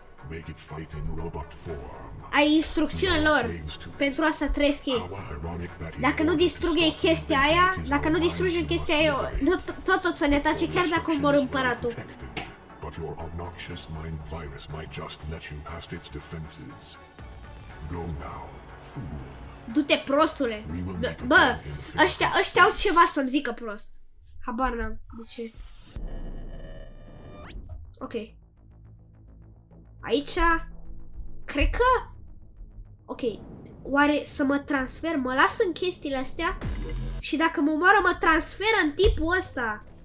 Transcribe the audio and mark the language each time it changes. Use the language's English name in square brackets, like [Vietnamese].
[English] Make it fight in robot form. [Romanian] Ai instrucțiuni lor. Pentru asta trăiesc ei. Dacă nu distruge chestia aia, dacă nu distruge chestia aia, tot o să ne tace chiar dacă omor împăratul. [English] But your obnoxious mind virus might just let you past its defenses. Go now, fool. [Romanian] Du-te, prostule. Bă, ăștia au ceva să-mi zică prost. Habar n-am. De ce? Ok. Aici, cred că, ok, oare să mă transfer, mă las în chestiile astea și dacă mă omoară mă transferă în tipul ăsta.